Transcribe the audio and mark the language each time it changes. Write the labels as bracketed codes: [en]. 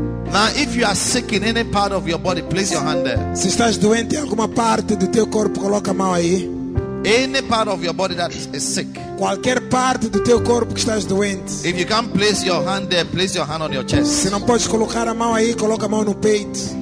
[en] Now, if you are sick in any part of your body, place your hand there. [pt] Se estás doente em alguma parte do teu corpo, coloca a mão aí. [en] Any part of your body that is sick. [pt] Qualquer parte do teu corpo que estás doente. [en] If you can't place your hand there, place your hand on your chest. [pt] Se não podes colocar a mão aí, coloca a mão no peito.